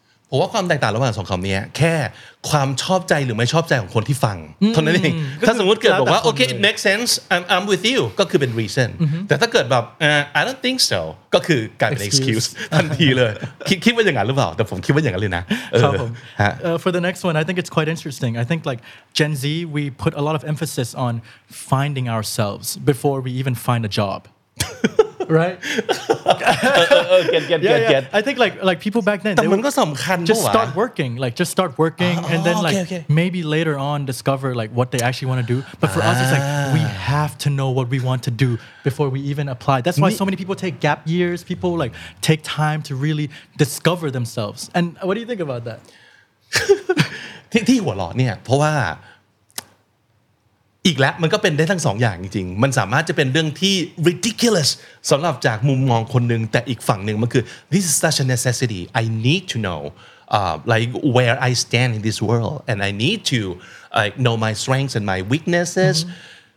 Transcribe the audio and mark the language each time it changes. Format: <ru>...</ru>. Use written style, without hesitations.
<th>ผมว่าความแตกต่างระหว่างสองคำนี้แค่ความชอบใจหรือไม่ชอบใจของคนที่ฟังเท่านั้นเองถ้าสมมติเกิดบอกว่าโอเค</th> <en>it makes sense I'm with you</en> <th>ก็คือเป็น reason แต่ถ้าเกิดแบบ</th> <en>I don't think so</en> <th>ก็คือกลายเป็น excuse ทันทีเลยคิดว่าอย่างนั้นหรือเปล่าแต่ผมคิดว่าอย่างนั้นเลยนะ</th> <en>For the next one I think it's quite interesting I think like Gen Z we put a lot of emphasis on finding ourselves before we even find a job right get I think like people back then</en> <th>แต่มันก็สําคัญ</th> <en>จ้ะ just start working and then like maybe later on discover like what they actually want to do but for us it's like we have to know what we want to do before we even apply that's why so many people take gap years people like take time to really discover themselves and what do you think about that</en> <th>ที่หัวเราะเนี่ยเพราะว่าอีกแล้วมันก็เป็นได้ทั้งสองอย่างจริงๆมันสามารถจะเป็นเรื่องที่ ridiculous สำหรับจากมุมมองคนหนึ่งแต่อีกฝั่งหนึ่งมันคือ</th> <en>this is such a necessity I need to know like where I stand in this world and I need to know my strengths and my weaknesses</en> <th>mm-hmm.</th>